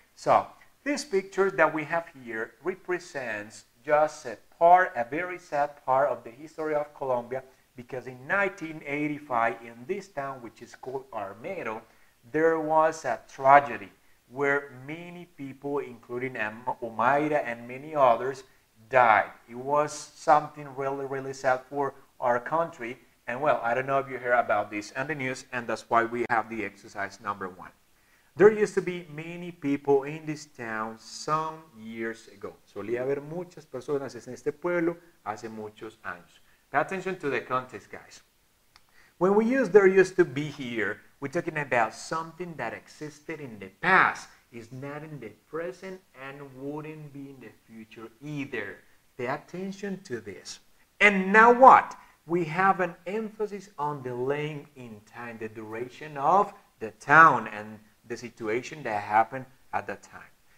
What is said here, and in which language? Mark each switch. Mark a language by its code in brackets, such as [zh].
[en] So, this picture that we have here represents just a part, a very sad part of the history of Colombia, because in 1985, in this town, which is called Armero, there was a tragedy where many people, including Omaira and many others, died. It was something really, really sad for our country. And well, I don't know if you hear about this in the news, and that's why we have the exercise number one. There used to be many people in this town some years ago. [es] Solía haber muchas personas en este pueblo hace muchos años. [en] Pay attention to the context, guys. When we use there used to be here, we're talking about something that existed in the past. It's not in the present and wouldn't be in the future either. Pay attention to this. And now what? We have an emphasis on the length in time, the duration of the town and the situation that happened at that time.